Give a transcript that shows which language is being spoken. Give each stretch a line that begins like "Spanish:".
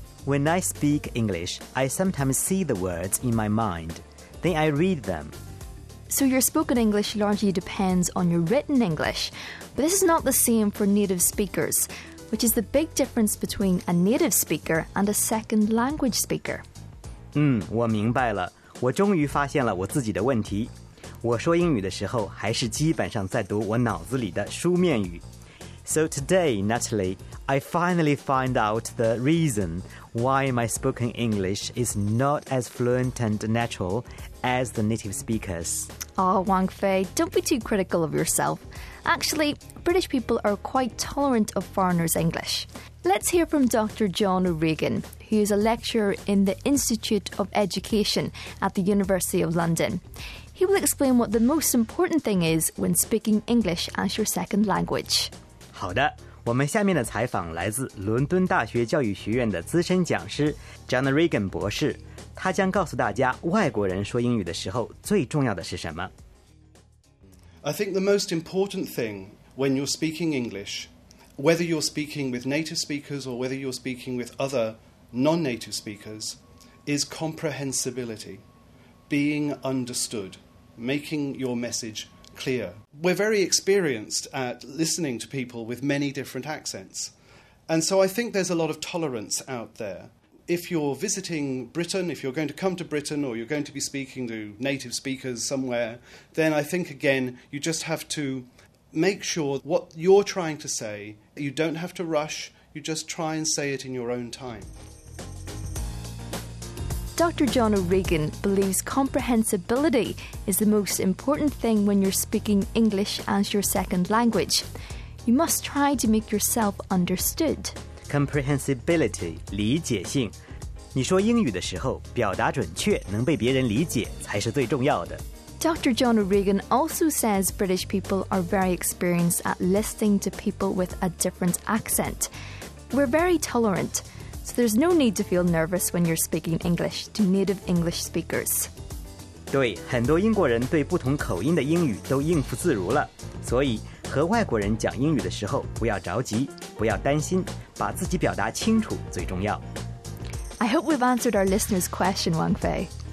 English: When I speak English, I sometimes see the words in my mind. Then I read them. So your spoken English largely depends on your written English. But this is not the same for native speakers. Which is the big difference between a native speaker and a second language speaker.
Chinese: 我明白了。我终于发现了我自己的问题。我说英语的时候还是基本上在读我脑子里的书面语。
English: So today, Natalie, I finally find out the reason why my spoken English is not as fluent and natural as the native speakers. Oh, Wangfei, don't be too critical of yourself. Actually, British people are quite tolerant of foreigners' English. Let's hear from Dr. John O'Regan, who is a lecturer in the Institute of Education at the University of London. He will explain what the most important thing is when speaking English as your second language.
Chinese: 好的，我们下面的采访来自伦敦大学教育学院的资深讲师 John O'Regan 博士，他将告诉大家外国人说英语的时候最重要的是什么。
English: I think the most important thing when you're speaking English, whether you're speaking with native speakers or whether you're speaking with other non-native speakers, is comprehensibility, being understood, making your message clear. We're very experienced at listening to people with many different accents, and so I think there's a lot of tolerance out there. If you're visiting Britain, if you're going to come to Britain, or you're going to be speaking to native speakers somewhere, then I think, again, you just have to make sure what you're trying to say, you don't have to rush, you just try and say it in your own time. Dr. John O'Regan believes comprehensibility is the most important thing when you're speaking English as your second language. You must try to make yourself understood.
Chinese: Comprehensibility, 理解性。你说英语的时候，表达准确，能被别人理解，才是最重要的。
English: Dr. John O'Regan also says British people are very experienced at listening to people with a different accent. We're very tolerant, so there's no need to feel nervous when you're speaking English to native English speakers.
Chinese: 对，很多英国人对不同口音的英语都应付自如了，所以和外国人讲英语的时候，不要着急，不要担心。把自己表达清楚最重要。
English: I hope we've answered our listeners' question, Wangfei.